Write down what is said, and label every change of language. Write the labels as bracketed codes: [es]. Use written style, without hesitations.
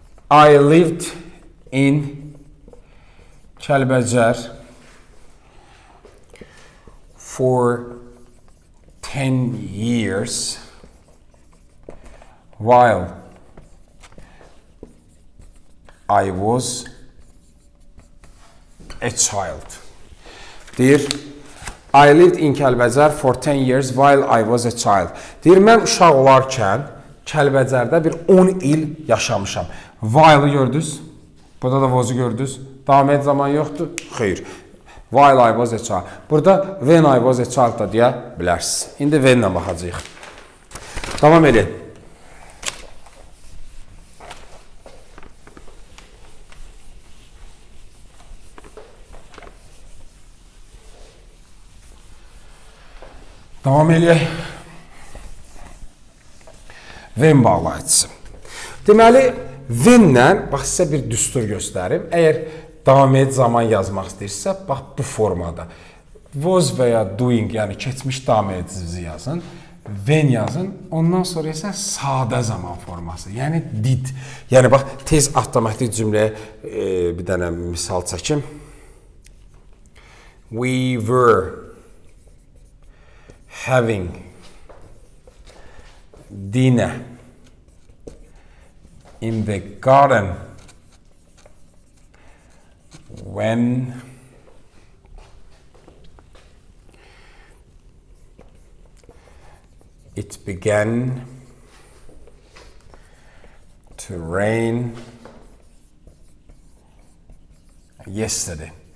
[en] I lived in Kəlbəcər for 10 years while I was a child. [az] Deyir, [en] I lived in Kəlbəcər for 10 years while I was a child. [az] Deyir, mən uşaq olarkən Kəlbəcərdə bir 10 il yaşamışam. While-ı gördünüz, burada da was-ı gördünüz. Davam edici zaman yoxdur, xeyr. [en] While I was a child. [az] Burada when I was a child da deyə bilərsiniz. İndi when-lə baxacaq. Davam edin. Devam edelim. Ven bağlayıcısı. Deməli, Venlə, bax sizə bir düstur göstərim. Əgər davam et zaman yazmaq istəyirsə, bax bu formada. Was və ya doing, yəni keçmiş davam edicisi yazın. Ven yazın. Ondan sonra isə sadə zaman forması. Yəni did. Yəni bax, tez avtomatik cümləyə bir dənə misal çəkim. [en] We were having dinner in the garden when it began to rain yesterday.